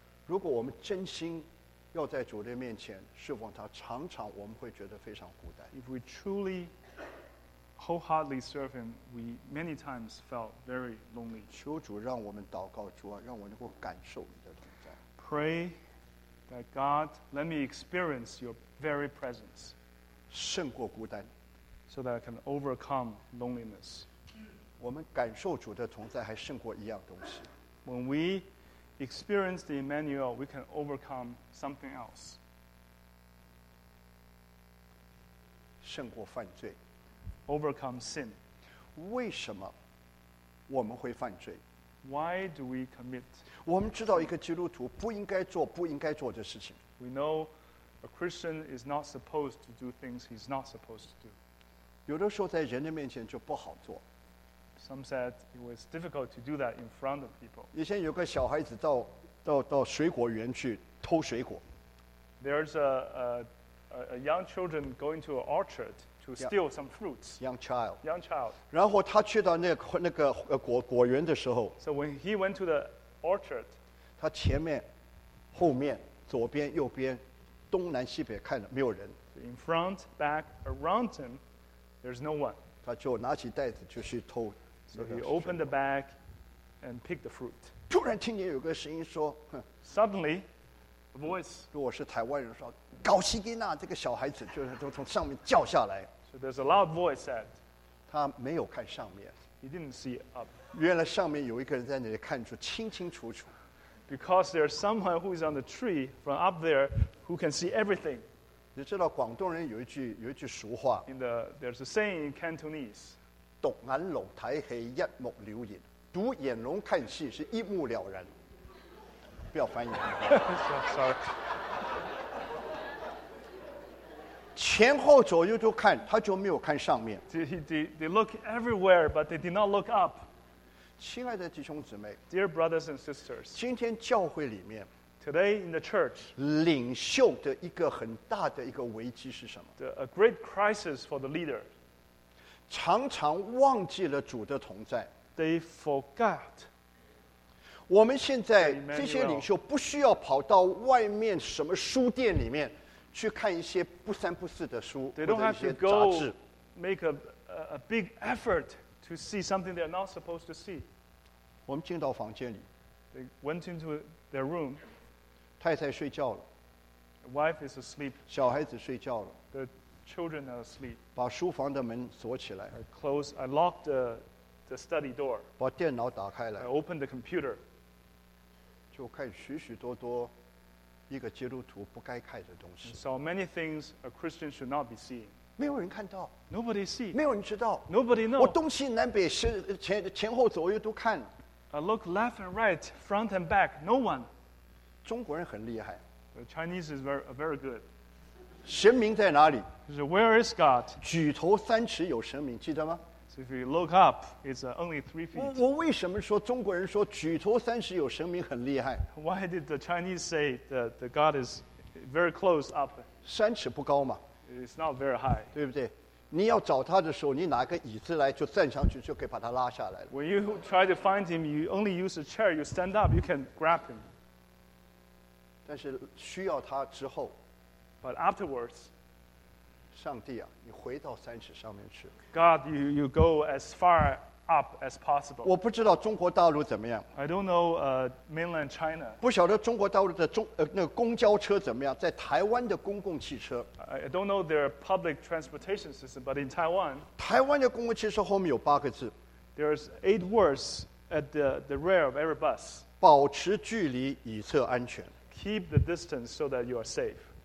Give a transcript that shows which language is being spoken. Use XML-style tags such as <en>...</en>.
<zh>如果我们真心要在主的面前侍奉他，常常我们会觉得非常孤单。</zh> <en>If we truly wholeheartedly serve him, we many times felt very lonely.</en> <zh>求主让我们祷告，主啊，让我能够感受你的同在。</zh> <en>Pray that God let me experience your very presence.</en> <zh>胜过孤单。</zh> <en>So that I can overcome loneliness.</en> <zh>我们感受主的同在还胜过一样东西。</zh> <en>When we experience the Emmanuel, we can overcome something else.</en> <zh>胜过犯罪。</zh> <en>Overcome sin.</en> <zh>为什么我们会犯罪？</zh> <en>Why do we commit?</en> <zh>我们知道一个基督徒不应该做不应该做的事情。</zh> <en>We know a Christian is not supposed to do things he's not supposed to do.</en> <zh>有的时候在人的面前就不好做。</zh> <en>Some said it was difficult to do that in front of people.</en> <zh>以前有个小孩子到水果园去偷水果。</zh> <en>There's a young children going to an orchard. To steal some fruits. Young child.</en> <zh>然后他去到那个果园的时候。</zh> <en>So when he went to the orchard,</en> <zh>他前面、后面、左边、右边、东南西北看了没有人。</zh> <en>In front, back, around him, there's no one.</en> <zh>他就拿起袋子就去偷。</zh> <en>So he opened the bag and picked the fruit.</en> <zh>突然听见有个声音说。</zh> <en>Suddenly. A voice.</en> <zh>如果是台湾人说，高希金娜这个小孩子就是都从上面叫下来。</zh> <en>So there's a loud voice said.</en> <zh>他没有看上面。</zh> <en>He didn't see up.</en> <zh>原来上面有一个人在那里看出清清楚楚。</zh> <en>Because there's someone who is on the tree from up there who can see everything.</en> <zh>你知道广东人有一句俗话。</zh> <en>There's a saying in Cantonese.</en> <zh>独眼龙台黑一目了然，独眼龙看戏是一目了然。不要翻译。</zh> <en>Sorry.</en> <zh>前后左右都看，他就没有看上面。</zh> <en>They look everywhere, but they did not look up.</en> <zh>亲爱的弟兄姊妹</zh> <en>，Dear brothers and sisters，</en> <zh>今天教会里面</zh> <en>，Today in the church，</en> <zh>领袖的一个很大的一个危机是什么</zh> <en>？A great crisis for the leader.</en> <zh>常常忘记了主的同在。</zh> <en>They forgot.</en> <zh>我们现在这些领袖不需要跑到外面什么书店里面去看一些不三不四的书或者一些杂志。</zh> <en>Make a big effort to see something they're not supposed to see.</en> <zh>我们进到房间里。</zh> <en>They went into their room.</en> <zh>太太睡觉了。</zh> <en>The wife is asleep.</en> <zh>小孩子睡觉了。</zh> <en>The children are asleep.</en> <zh>把书房的门锁起来。</zh> <en>I locked the study door.</en> <zh>把电脑打开来。</zh> <en>I opened the computer.</en> <zh>就看许许多多一个基督徒不该看的东西。</zh> <en>So many things a Christian should not be seeing.</en> <zh>没有人看到。</zh> <en>Nobody see.</en> <zh>没有人知道。</zh> <en>Nobody know.</en> <zh>我东西南北是前后左右都看。</zh> <en>I look left and right, front and back. No one.</en> <zh>中国人很厉害。</zh> <en>The Chinese is very good.</en> <zh>神明在哪里</zh> <en>？So where is God?</en> <zh>举头三尺有神明，记得吗？</zh> <en>So if you look up, it's only 3 feet.</en> <zh>我为什么说中国人说举头三尺有神明很厉害</zh> <en>？Why did the Chinese say that the God is very close up?</en> <zh>三尺不高嘛</zh> <en>？It's not very high.</en> <zh>对不对？你要找他的时候，你拿个椅子来就站上去，就可以把他拉下来了。</zh> <en>When you try to find him, you only use a chair. You stand up, you can grab him.</en> <zh>但是需要他之后</zh> <en>，But afterwards.</en> <zh>上帝啊，你回到三尺上面去。</zh> <en>God, you go as far up as possible.</en> <zh>我不知道中国大陆怎么样。</zh> <en>I don't know mainland China.</en> <zh>不晓得中国大陆的那个公交车怎么样，在台湾的公共汽车。</zh> <en>I don't know their public transportation system, but in Taiwan.</en> <zh>台湾的公共汽车后面有八个字。</zh> <en>There's 8 words at the rear of every bus.</en> <zh>保持距离以测安全。</zh> <en>Keep the distance so that you are safe.</en>